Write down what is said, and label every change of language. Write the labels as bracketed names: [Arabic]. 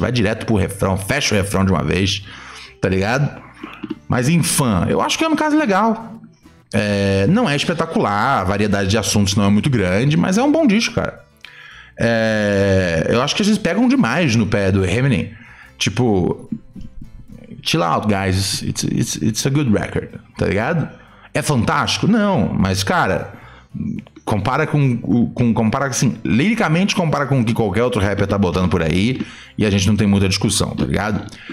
[Portuguese] Vai direto pro refrão, fecha o refrão de uma vez, tá ligado? Mas, enfim, eu acho que é um caso legal. Não é espetacular, a variedade de assuntos não é muito grande, mas é um bom disco, cara. Eu acho que eles pegam demais no pé do Eminem. Tipo, [English] chill out, guys, it's a good record, [Portuguese] tá ligado? É fantástico? Não, mas, cara, compara compara assim, liricamente compara com o que qualquer outro rapper tá botando por aí, e a gente não tem muita discussão, tá ligado?